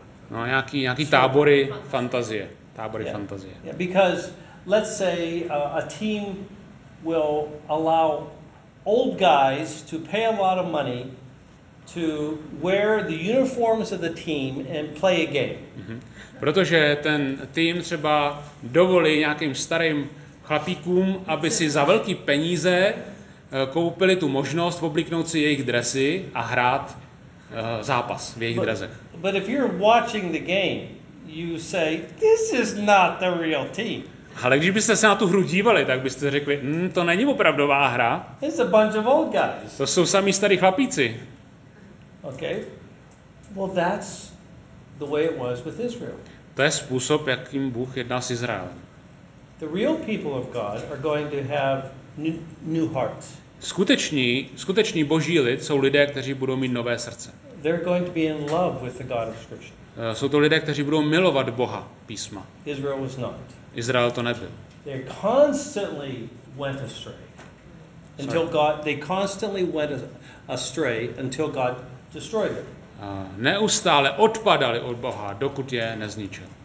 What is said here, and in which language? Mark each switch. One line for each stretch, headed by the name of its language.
Czech: No, nějaký tábory fantazie, fantazie.
English: Yeah, because let's say a team will allow old guys to pay a lot of money to wear the uniforms of the team and play a game.
Czech: Protože ten tým třeba dovolí nějakým starým chlapíkům, aby si za velký peníze koupili tu možnost oblíknout si jejich dresy a hrát zápas v jejich dresech.
English: But if you're watching the game, you say this is not the real team.
Czech: Ale když byste se na tu hru dívali, tak byste řekli, to není opravdová hra.
English: It's a bunch of old guys.
Czech: To jsou sami starí chlapíci.
English: Okay. Well, that's the way it was with Israel.
Czech: To je způsob, jakým Bůh jednal s Izraelem.
English: The real people of God are going to have new hearts.
Czech: Skuteční boží lid jsou lidé, kteří budou mít nové srdce.
English: They're going to be in love with the God of Scripture.
Czech: Jsou to lidé, kteří budou milovat Boha písma.
English: Israel was not.
Czech: Izrael to nebyl.
English: They constantly went astray. Until God, they constantly went astray until God destroyed them.
Czech: Neustále odpadali od Boha, dokud je nezničil.